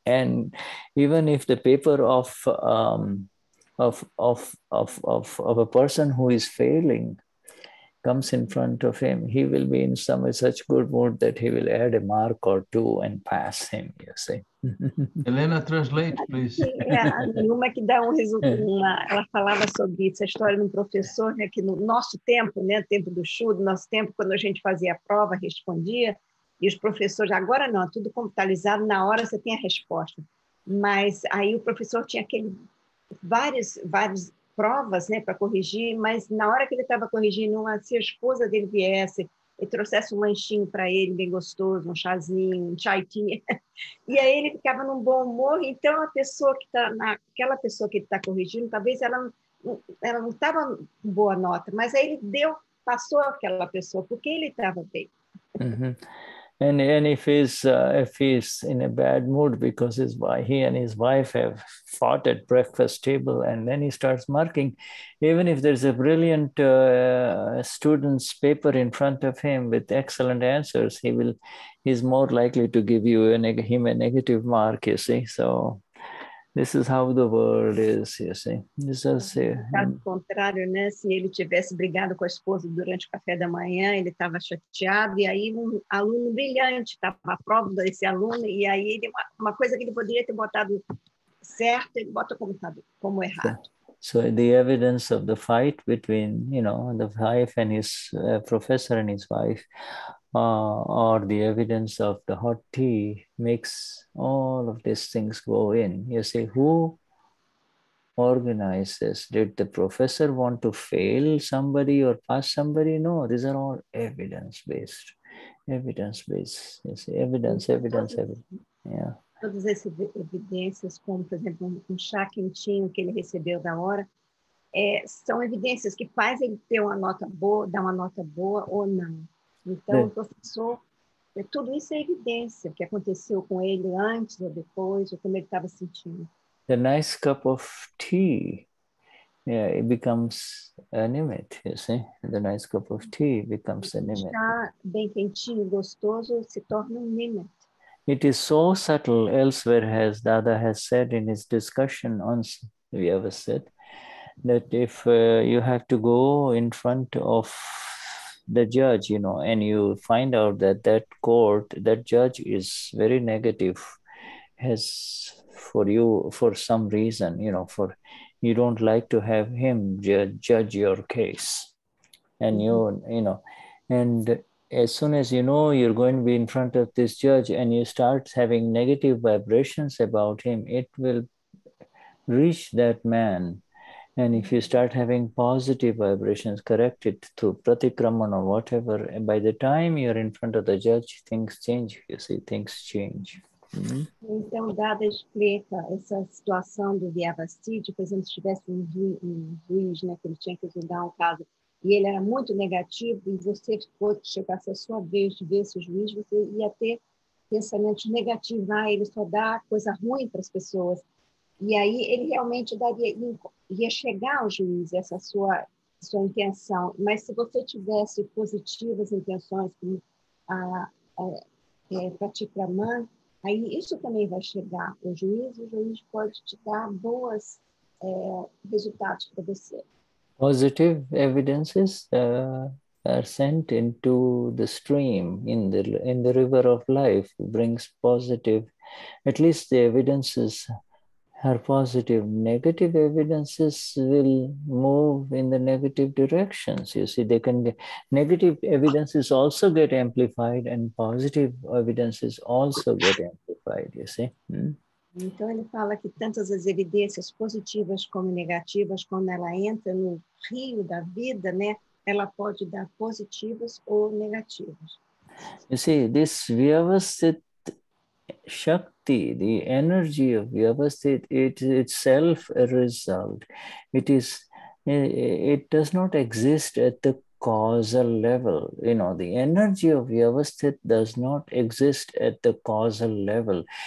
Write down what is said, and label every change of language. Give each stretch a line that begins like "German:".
English: And even if the paper of a person who is failing comes in front of him, he will be in some such good mood that he will add a mark or two and pass him, you see. Helena, translate, please.
Portuguese: Nenhuma que dá um resultado. Ela falava sobre isso, a história de um professor, né, que no nosso tempo, né, tempo do Shuddha, nosso tempo, quando a gente fazia a prova, respondia, e os professores, agora não, tudo computalizado, na hora você tem a resposta. Mas aí o professor tinha aquele, vários provas, né, para corrigir, mas na hora que ele estava corrigindo, se a esposa dele viesse e trouxesse um lanchinho para ele, bem gostoso, um chazinho, um chai tea, e aí ele ficava num bom humor. Então, a pessoa que está naquela pessoa que ele está corrigindo, talvez ela não estava com boa nota, mas aí ele passou aquela pessoa, porque ele estava bem. Uh-huh.
English: And if he's in a bad mood because he and his wife have fought at breakfast table, and then he starts marking, even if there's a brilliant student's paper in front of him with excellent answers, he's more likely to give you him a negative mark, you see. So this is how the world is, you see. This is
Portuguese: caso contrário, né? Se ele tivesse brigado com a esposa durante o café da manhã, ele estava chateado, e aí um aluno brilhante estava à prova desse aluno, e aí uma coisa que ele poderia ter botado certo, ele bota como errado.
English: So the evidence of the fight between, you know, the wife and his professor and his wife, or the evidence of the hot tea makes all of these things go in. You say, who organizes? Did the professor want to fail somebody or pass somebody? No, these are all evidence-based. Evidence-based. You see, evidence, evidence, evidence. Yeah.
Portuguese: Todas essas evidências, como, por exemplo, um chá quentinho que ele recebeu da hora, são evidências que faz ele ter uma nota boa, dar uma nota boa ou não. Então, o professor, tudo isso é evidência, o que aconteceu com ele antes ou depois, ou como ele estava sentindo.
English: The nice cup of tea, yeah, it becomes an image, you see? The nice cup of tea becomes an image.
Portuguese: O chá bem quentinho, gostoso, se torna um image.
English: It is so subtle. Elsewhere, as Dada has said in his discussion on Vyavasthit, that if you have to go in front of the judge, you know, and you find out that that court, that judge is very negative, has for you for some reason, you know, for you don't like to have him judge your case, and you know. As soon as you know you're going to be in front of this judge and you start having negative vibrations about him, it will reach that man. And if you start having positive vibrations, correct it through pratikraman or whatever, and by the time you're in front of the judge, things change. You see, things change. Mm-hmm.
Portuguese: Então, Dada explica essa situação do Vyavasthit, por exemplo, se tivesse um juiz, né, que ele tinha que ajudar um caso. E ele era muito negativo, e você ficou, chegasse a sua vez de ver esse juiz, você ia ter pensamentos negativos, ah, ele só dá coisa ruim para as pessoas. E aí ele realmente daria, ia chegar ao juiz, essa sua intenção. Mas se você tivesse positivas intenções, como pratikramã, aí isso também vai chegar ao juiz, e o juiz pode te dar boas resultados para você.
English: Positive evidences are sent into the stream in the river of life, brings positive, at least the evidences are positive. Negative evidences will move in the negative directions. You see, they can get negative evidences also get amplified, and positive evidences also get amplified, you see. Hmm?
Portuguese: Então, ele fala que tantas as evidências positivas como negativas, quando ela entra no rio da vida, né, ela pode dar positivas ou negativas.
English: You see, this Vyavasthit Shakti, the energy of Vyavasthit, it is itself a result. It does not exist at the causal level. You know, the energy of Vyavasthit does not exist at the causal level.